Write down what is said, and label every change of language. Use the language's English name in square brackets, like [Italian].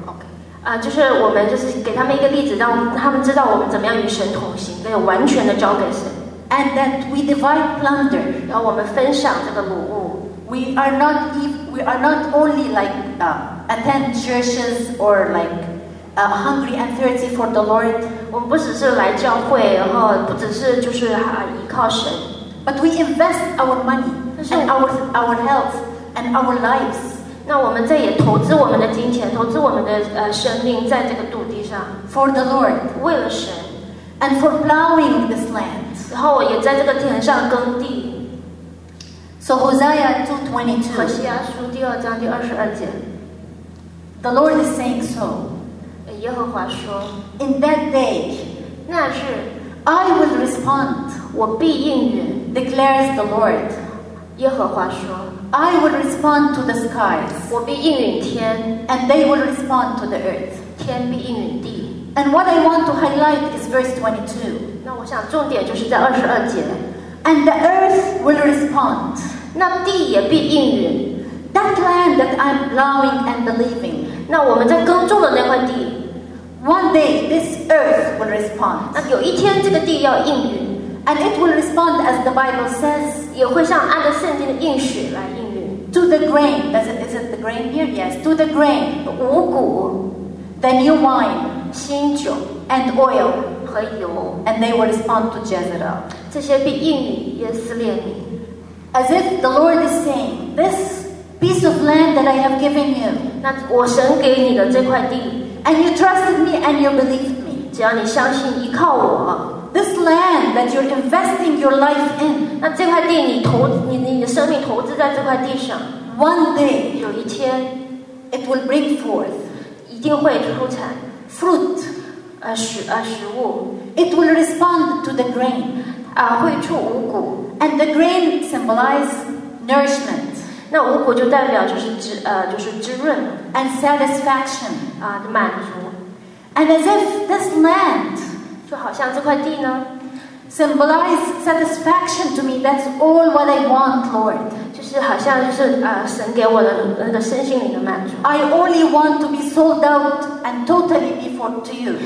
[Chinese] okay就是我们就是给他们一个例子，让他们知道我们怎么样与神同行，要完全的交给神。 [English] And that we divide plunder， [Chinese] 然后我们分享这个掳物。 [English] We are not only like attend churches or like hungry and thirsty for the Lord。 [Chinese] 我们不只是来教会，然后不只是就是依靠神。 [English] But we invest our money and our health and our lives。 [Chinese] 那我们这也投资我们的金钱，投资我们的生命在这个土地上。 [English] For the Lord， [Chinese] 为了神。 [English] And for plowing this land， [Chinese] 然后我也在这个田上耕地。 [English] So Hosea 2:22， [Chinese] 何西阿书第二章第二十二节。 [English] The Lord is saying so， [Chinese] 耶和华说。 [English] In that day， [Chinese] 那日。 [English] I will respond， [Chinese] 我必应允。 [English] Declares the Lord， [Chinese] 耶和华说。 [English] I will respond to the skies. [Chinese] 我必应允天 [English] And they will respond to the earth. [Chinese] 天必应允地 [English] And what I want to highlight is verse 22. [Chinese] 那我想重点就是在二十二节 [English] And the earth will respond. [Chinese] 那地也必应允 [English] That land that I'm plowing and believing. [Chinese] 那我们在耕种的那块地 [English] One day this earth will respond. [Chinese] 那有一天这个地要应允 [English] And it will respond as the Bible says. [Chinese] 也会像按着圣经的应许来应允。 [English] To the grain, is it the grain here? Yes. To the grain, [Chinese] 五谷 [English] the new wine, [Chinese] 新酒 [English] and oil, [Chinese] 和油 [English] and they will respond to Jezebel. [Chinese] 这些必应允耶斯列米。 [English] As if the Lord is saying, this piece of land that I have given you. [Chinese] 那我神给你的这块地 [English] and you trusted me and you believed me. [Chinese] 只要你相信依靠我。 [English] This land that you're investing your life in, [Chinese] 那这块地你的生命投资在这块地上 [English] One day, [Chinese] 有一天 [English] it will bring forth, [Chinese] 一定会出产 [English] fruit, [Chinese] 食物 [English] It will respond to the grain, [Chinese] 会出五谷 [English] and the grain symbolizes nourishment, [Chinese] 那五谷就代表就是就是滋润 [English] and satisfaction, [Chinese] 满足 [English] and as if this land. [Chinese] 就好像这块地呢 [English] symbolize satisfaction to me. That's all what I want, Lord. [Chinese] 就是好像就是神给我的那个身心灵的满足。 [English] I only want to be sold out and totally before to you.